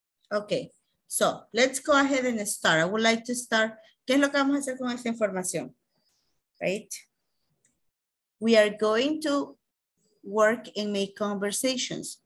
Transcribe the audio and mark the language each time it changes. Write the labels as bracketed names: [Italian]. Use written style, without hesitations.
[English] Okay, so let's go ahead and start. I would like to start. [Spanish] ¿Qué es lo que vamos a hacer con esta información? [English] Right? We are going to work and make conversations.